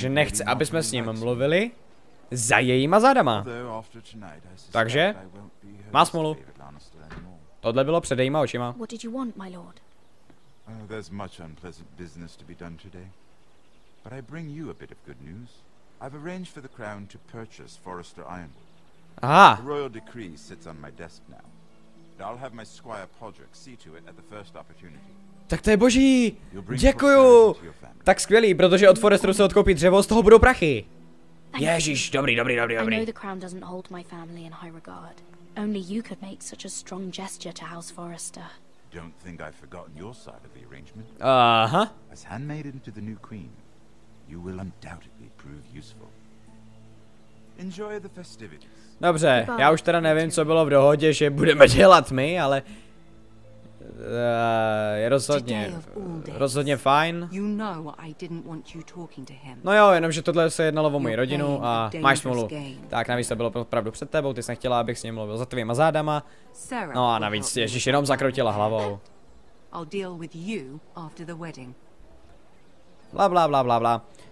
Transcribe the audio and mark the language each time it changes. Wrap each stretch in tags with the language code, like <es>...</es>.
<cs>že nechce, aby jsme s ním mluvili za jejíma zádama.</cs> <en>Tonight,</en> <cs>takže, má smolu. Tohle bylo před jejíma očima.</cs> <en>What did you want, my lord? There's much unpleasant business to be done today. But I bring you a bit of good news. I've arranged for the crown to purchase Forrester Ironwood. Aha. The royal decree sits on my desk now. And I'll have my squire Podrick see to it at the first opportunity.</en> <cs>Tak to je boží. Děkuju. Tak skvělý, protože od Forresteru se odkoupí dřevo, z toho budou prachy. Ježíš, dobrý, dobrý, dobrý, dobrý.</cs> <en>I know the crown doesn't hold my family in high regard. Only you could make such a strong gesture to House Forrester. Don't think I've forgotten your side of the arrangement. Uh-huh. As handmaiden to the new queen, you will undoubtedly prove useful. Enjoy the festivities.</en> <cs>Dobře, já už teda nevím, co bylo v dohodě, že budeme dělat my, ale... je rozhodně fajn.</cs> <en>You know I didn't want you talking to him.</en> <cs>No jo, jenomže tohle se jednalo o moji rodinu a máš smůlu. Tak navíc to bylo opravdu před tebou, ty jsi nechtěla, abych s ním mluvil za tvýma zádama. No a navíc, ježiš, jenom zakroutila hlavou.</cs> <en>I'll deal with you after the wedding. Bla bla bla bla bla.</en>